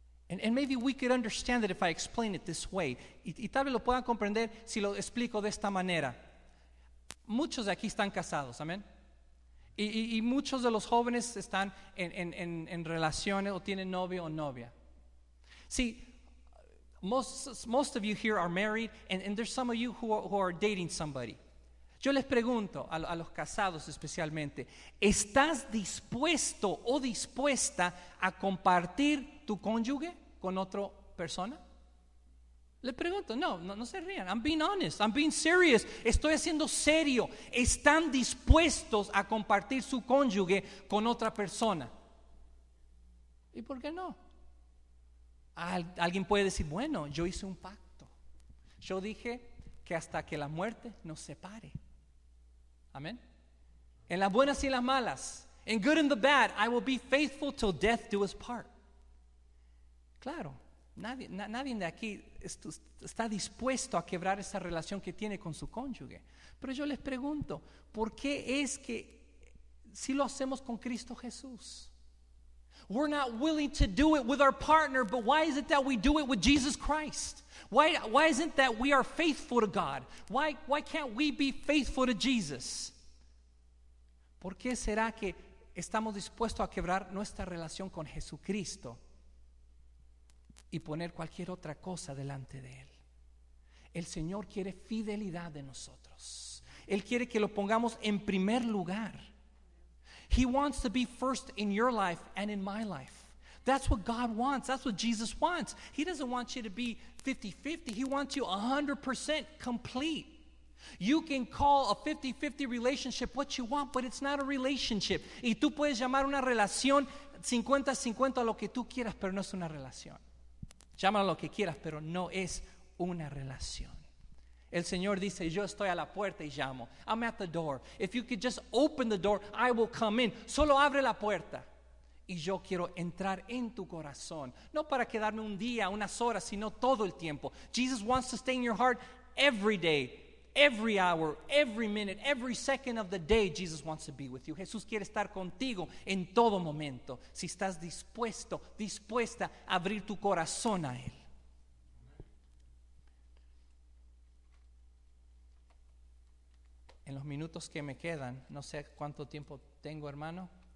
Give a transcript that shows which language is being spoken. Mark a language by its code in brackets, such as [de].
[en] And maybe we could understand it if I explain it this way. [es] Y tal vez lo puedan comprender si lo explico de esta manera. Muchos de aquí están casados, amén. Y muchos de los jóvenes están en relaciones o tienen novio o novia. [en] See, most of you here are married, and there's some of you who are dating somebody. [es] Yo les pregunto a los casados especialmente, ¿estás dispuesto o dispuesta a compartir tu cónyuge con otra persona? Le pregunto, no se rían. [en] I'm being honest, I'm being serious. [es] Estoy haciendo serio. ¿Están dispuestos a compartir su cónyuge con otra persona? ¿Y por qué no? Alguien puede decir, bueno, yo hice un pacto. Yo dije que hasta que la muerte nos separe. [en] Amén. [es] En las buenas y las malas. [en] In good and the bad, I will be faithful till death do us part. Claro. [es] Nadie de aquí está dispuesto a quebrar esa relación que tiene con su cónyuge. Pero yo les pregunto, ¿por qué es que si lo hacemos con Cristo Jesús? [en] We're not willing to do it with our partner, but why is it that we do it with Jesus Christ? Why isn't that we are faithful to God? Why can't we be faithful to Jesus? [es] ¿Por qué será que estamos dispuestos a quebrar nuestra relación con Jesucristo y poner cualquier otra cosa delante de Él? El Señor quiere fidelidad de nosotros. Él quiere que lo pongamos en primer lugar. [en] He wants to be first in your life and in my life. That's what God wants. That's what Jesus wants. He doesn't want you to be 50-50. He wants you 100% complete. You can call a 50-50 relationship what you want, but it's not a relationship. [es] Y tú puedes llamar una relación 50-50 a lo que tú quieras, pero no es una relación. Llámalo lo que quieras, pero no es una relación. El Señor dice, yo estoy a la puerta y llamo. [en] I'm at the door. If you could just open the door, I will come in. [es] Solo abre la puerta. Y yo quiero entrar en tu corazón. No para quedarme un día, unas horas, sino todo el tiempo. [en] Jesus wants to stay in your heart every day, every hour, every minute, every second of the day. Jesus wants to be with you. [es] Jesús quiere estar contigo en todo momento. Si estás dispuesto, dispuesta a abrir tu corazón a Él. En los minutos que me quedan, no sé cuánto tiempo tengo, hermano.